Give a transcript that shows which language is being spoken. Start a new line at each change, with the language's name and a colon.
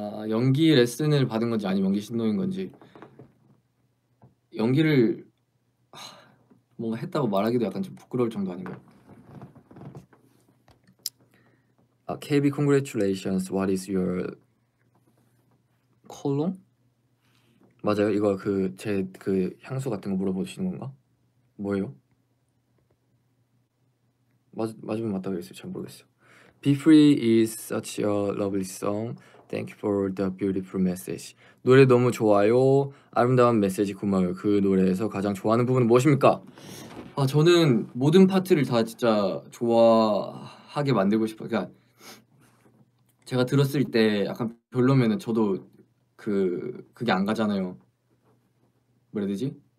Korean: 연기 레슨을 받은 건지 아니면 연기 신동인 건지 연기를 뭔가 했다고 말하기도 약간 좀 부끄러울 정도 아닌가요?
English: KB congratulations. What is your 콜롬?
Korean: 맞아요. 이거 그제그 향수 같은 거 물어보시는 건가? 뭐예요? 맞으면 맞다고 했어요. 잘 모르겠어요.
English: Be free is such a lovely song. Thank you for the beautiful message.
Korean: 노래 너무 좋아요. 아름다운 메시지 고마워요. 그 노래에서 가장 좋아하는 부분은 무엇입니까? 저는 모든 파트를 다 진짜 좋아하게 만들고 싶어요. 그러니까 제가 들었을 때 약간 별로면은 저도 그게 안 가잖아요. 뭐라 해야 되지?